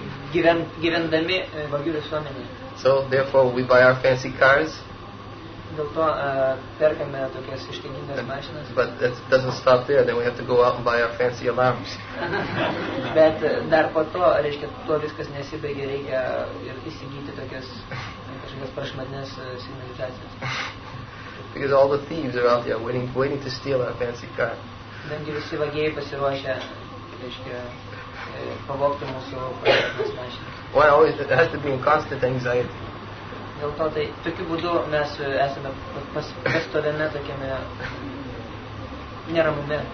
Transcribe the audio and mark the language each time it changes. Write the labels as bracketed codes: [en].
[lt] Gyvendami vagių visuomenėje. [en] So therefore we buy our fancy cars. [lt] Dėl to perkame tokias ištaigingas mašinas. [en] But that doesn't stop there. Then we have to go out and buy our fancy alarms. [lt] Bet dar po to, reiškia, tuo viskas nesibaigia, reikia ir įsigyti tokias kažkokias prašmatnes signalizacijas. [en] Because all the thieves are out there waiting to steal our fancy car. Then you see [lt] vagiai pasiruošę, reiškia, pavogti mūsų [en] mašiną. Well, it has to be in constant anxiety. [lt] Dėl to tai tokiu būdu mes esame pastoviame tokiame neramume.